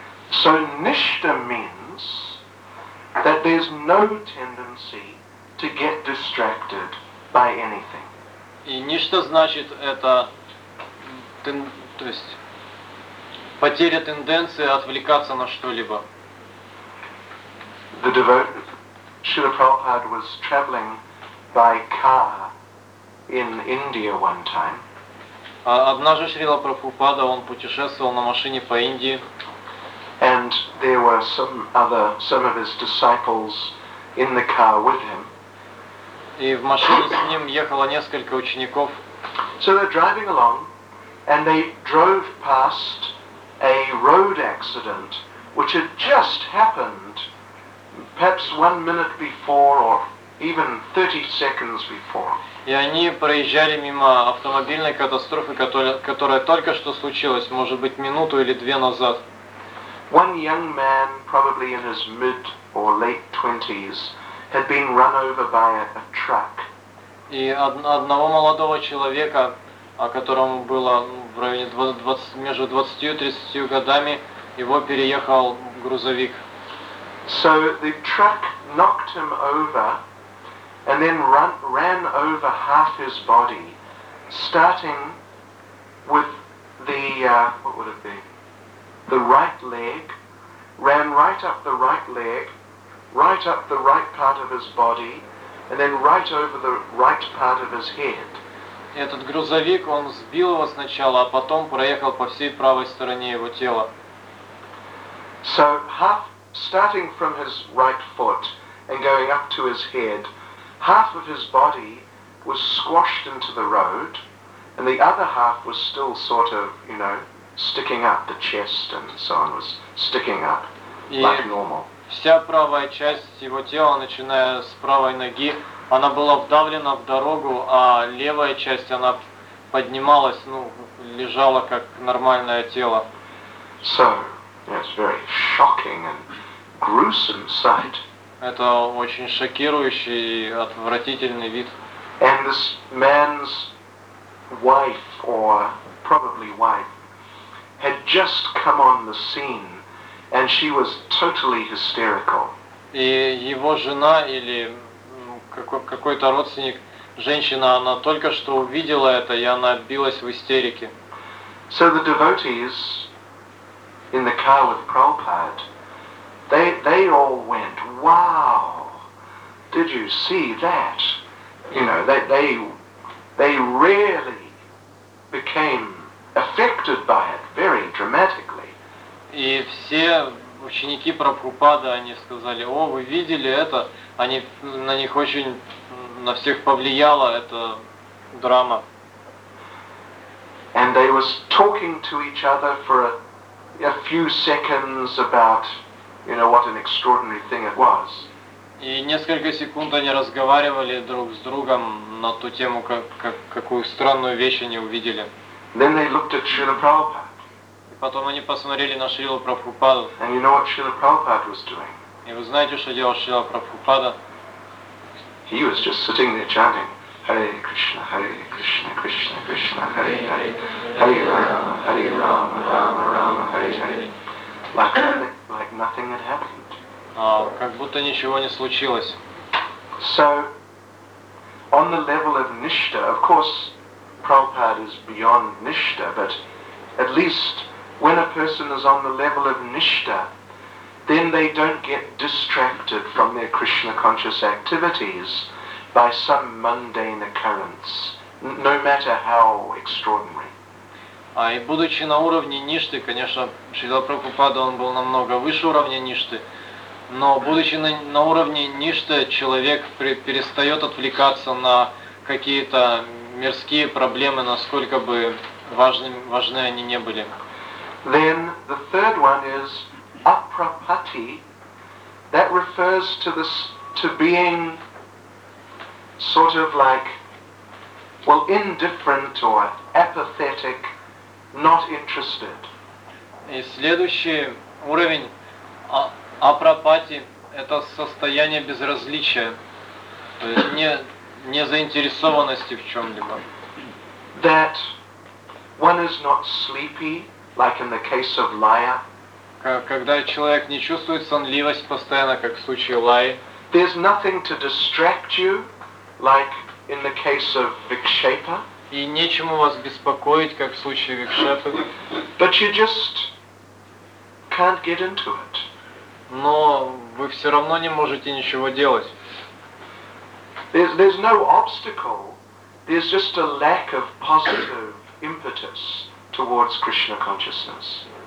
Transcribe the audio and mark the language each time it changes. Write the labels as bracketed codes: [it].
[en] So nishta means that there's no tendency to get distracted by anything. [ru] И ништа значит это, то есть потеря тенденции отвлекаться на что-либо. [en] The devotee Srila Prabhupada was traveling by car in India one time. [ru] Однажды Шрила Прабхупада он путешествовал на машине по Индии. [en] And there were some of his disciples in the car with him. [ru] И в машине с ним ехало несколько учеников. [en] So they're driving along, and they drove past a road accident which had just happened, perhaps 1 minute before or even 30 seconds before. [ru] И они проезжали мимо автомобильной катастрофы, которая только что случилась, может быть, минуту или две назад. [en] One young man, probably in his mid or late 20s, had been run over by a truck. [ru] И одного молодого человека, которому было в районе 20, между 20 и 30 годами, его переехал грузовик. [en] So the truck knocked him over and then ran over half his body, starting with the, what would it be? The right leg, ran right up the right leg, right up the right part of his body, and then right over the right part of his head. [ru] Этот грузовик, он сбил его сначала, а потом проехал по всей правой стороне его тела. [en] So, half, starting from his right foot and going up to his head, half of his body was squashed into the road, and the other half was still sort of, you know, sticking up, the chest and so on was sticking up, like normal. [ru] Вся правая часть его тела, начиная с правой ноги, она была вдавлена в дорогу, а левая часть, она поднималась, ну, лежала как нормальное тело. [en] So, yes, very shocking and gruesome sight. [ru] Это очень шокирующий и отвратительный вид. [en] And this man's wife, or probably wife, had just come on the scene, and she was totally hysterical. [ru] И его жена или какой-то родственник, женщина, она только что увидела это, и она билась в истерике. [en] So the devotees in the car with Prabhupada, They all went, wow, did you see that? You know, they really became affected by it very dramatically. [ru] И все ученики Прабхупады, они сказали, о, вы видели это? Они на них очень, на всех повлияла эта драма. [en] And they was talking to each other for a few seconds about, you know, what an extraordinary thing it was. [ru] И несколько секунд они разговаривали друг с другом на ту тему, какую странную вещь они увидели. [en] Then they looked at Srila Prabhupada. [ru] И потом они посмотрели на Шрилу Прабхупаду. [en] And you know what Srila Prabhupada was doing? [ru] И вы знаете, что делал Шрила Прабхупада? [en] He was just sitting there chanting, Hare Krishna, Hare Krishna, Krishna Krishna, Hare Hare, Hare Rama, Hare Rama, Rama Rama, Hare Hare. Like nothing had happened. [ru] Как будто ничего не случилось. [en] So, on the level of nishta, of course, Prabhupada is beyond nishta, but at least when a person is on the level of nishta, then they don't get distracted from their Krishna conscious activities by some mundane occurrence, no matter how extraordinary. [ru] А и будучи на уровне ништы, конечно, Шрила Прабхупада, он был намного выше уровня ништы, но будучи на уровне ништы, человек перестает отвлекаться на какие-то мирские проблемы, насколько бы важны они не были. [en] Then the third one is apropati. That refers to this, to being sort of like, well, indifferent or apathetic. Not interested. [ru] И следующий уровень апропати – это состояние безразличия, то есть не заинтересованности в чем-либо. [en] That one is not sleepy, like in the case of Laya. [ru] Когда человек не чувствует сонливость постоянно, как в случае Лаи. [en] There's nothing to distract you, like in the case of Vikshepa. [ru] И нечему вас беспокоить, как в случае Викшепы. [en] But you just can't get into it. [ru] Но вы все равно не можете ничего делать. [en] There's no obstacle. There's just a lack of positive impetus towards Krishna consciousness.